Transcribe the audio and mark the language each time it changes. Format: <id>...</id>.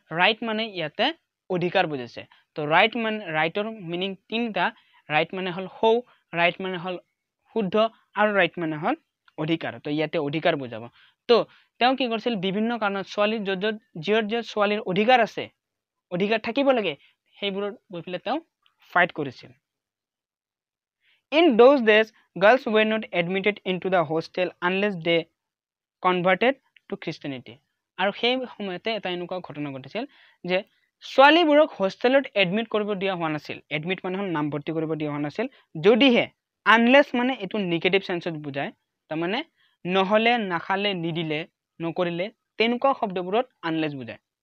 <as>Right মানে ইয়াতে অধিকাৰ বুজাইছে. তো ৰাইট মানে, ৰাইটৰ মিনিং তিনিটা, ৰাইট মানে হ'ল সৌ, ৰাইট মানে হ'ল শুদ্ধ, আৰু ৰাইট মানে হ'ল অধিকাৰ. তো ইয়াতে অধিকাৰ বুজাব. তো তেওঁ কি কৰিছিল, বিভিন্ন কাৰণত ছোৱালীৰ য'ত য'ত যিয়ত যিয়ত ছোৱালীৰ অধিকাৰ আছে, অধিকাৰ থাকিব লাগে, সেইবোৰত গৈ পেলাই তেওঁ ফাইট কৰিছিল.</as> <en>In those days, girls were not admitted into the hostel unless they converted to Christianity.</en> <as>আৰু সেই সময়তে এটা এনেকুৱা ঘটনা ঘটিছিল যে ছোৱালীবোৰক হোষ্টেলত এডমিট কৰিব দিয়া হোৱা নাছিল, এডমিট মানে হ'ল নামভৰ্তি কৰিব দিয়া হোৱা নাছিল, যদিহে আনলেছ মানে এইটো নিগেটিভ চেঞ্চত বুজায়, তাৰমানে নহ'লে, নাখালে, নিদিলে, নকৰিলে, তেনেকুৱা শব্দবোৰত আনলেছ বুজায়।</as>